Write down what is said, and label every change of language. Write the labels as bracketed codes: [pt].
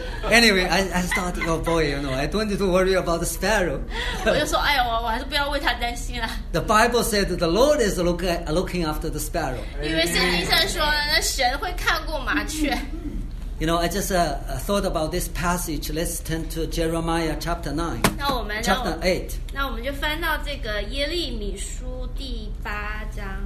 [en] Anyway, I thought, oh boy, you know, I don't need to worry about the sparrow. [zh] 我就说，哎呀，我还是不要为他担心了。 [en] The Bible said the Lord is looking after the sparrow. [zh] 因为圣经上说呢，那神会看顾麻雀。 [en] You know, I just thought about this passage. Let's turn to Jeremiah chapter 9. Chapter 8. [zh] 那我们就翻到这个耶利米书第八章。